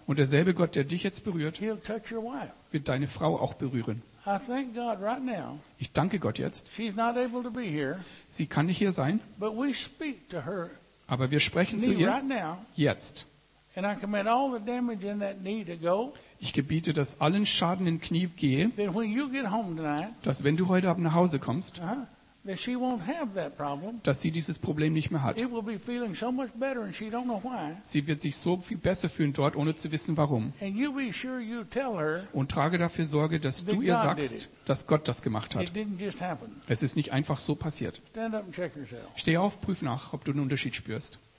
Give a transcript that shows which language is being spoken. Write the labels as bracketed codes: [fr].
[de] und derselbe Gott, der dich jetzt berührt, [en] he'll touch your wife. [de] Wird deine Frau auch berühren. [en] I thank God right now, [de] ich danke Gott jetzt. [en] She's not able to be here, [de] sie kann nicht hier sein. [en] But we speak to her, [de] aber wir sprechen zu ihr [en] right now, [de] jetzt. [en] And I command all the damage in that knee to go, [de] ich gebiete, dass allen Schaden in Knie gehe, [en] that when you get home tonight, [de] dass wenn du heute Abend nach Hause kommst, [en] that she won't have that problem. [de] Dass sie dieses Problem nicht mehr hat. [en] It will be feeling so much better and she don't know why. [de] Sie wird sich so viel besser fühlen dort, ohne zu wissen, warum. [en] And you be sure you tell her, [de] und trage dafür Sorge, dass du ihr sagst, dass Gott das gemacht hat. [en] It didn't just happen. [de] Es ist nicht einfach so passiert. [en] Stand up and check yourself. [de] Steh auf, prüf nach, ob du einen Unterschied spürst.